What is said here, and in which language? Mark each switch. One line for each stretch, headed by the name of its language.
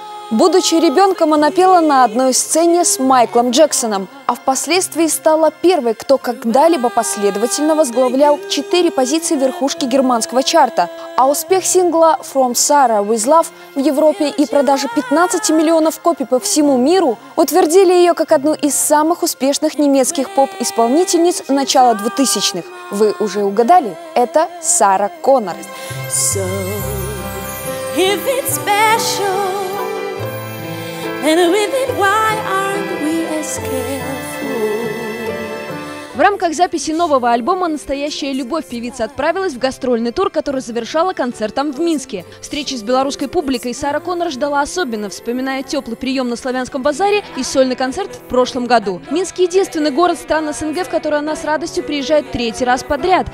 Russian: Будучи ребенком, она пела на одной сцене с Майклом Джексоном, а впоследствии стала первой, кто когда-либо последовательно возглавлял 4 позиции верхушки германского чарта. А успех сингла «From Sarah with Love» в Европе и продажи 15 миллионов копий по всему миру утвердили ее как одну из самых успешных немецких поп-исполнительниц начала 2000-х. Вы уже угадали? Это Сара Коннор.
English: So, if it's special, and with it, why aren't we as careful?
Russian: В рамках записи нового альбома «Настоящая любовь» певица отправилась в гастрольный тур, который завершала концертом в Минске. Встречи с белорусской публикой Сара Коннор ждала особенно, вспоминая теплый прием на Славянском базаре и сольный концерт в прошлом году. Минск – единственный город стран СНГ, в который она с радостью приезжает третий раз подряд.